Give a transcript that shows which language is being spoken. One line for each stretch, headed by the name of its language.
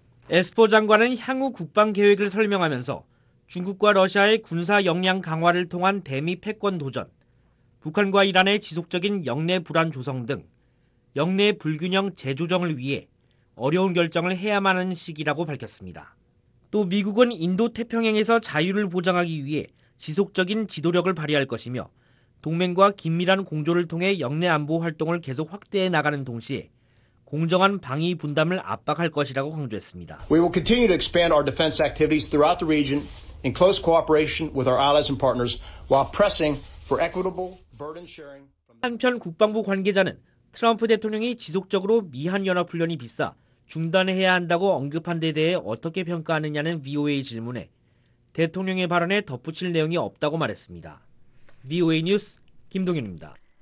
Korean: 에스퍼 장관은 향후 국방 계획을 설명하면서 중국과 러시아의 군사 역량 강화를 통한 대미 패권 도전, 북한과 이란의 지속적인 영내 불안 조성 등 영내 불균형 재조정을 위해 어려운 결정을 해야만 하는 시기라고 밝혔습니다. 또 미국은 인도 태평양에서 자유를 보장하기 위해 지속적인 지도력을 발휘할 것이며 동맹과 긴밀한 공조를 통해 역내 안보 활동을 계속 확대해 나가는 동시에 공정한 방위 분담을 압박할 것이라고 강조했습니다.
English: We will continue to expand our defense activities throughout the region in close cooperation with our allies and partners while pressing for equitable burden sharing.
Korean: 한편 국방부 관계자는 트럼프 대통령이 지속적으로 미한 연합 훈련이 비싸 중단해야 한다고 언급한 데 대해 어떻게 평가하느냐는 VOA 질문에 대통령의 발언에 덧붙일 내용이 없다고 말했습니다. VOA 뉴스 김동윤입니다.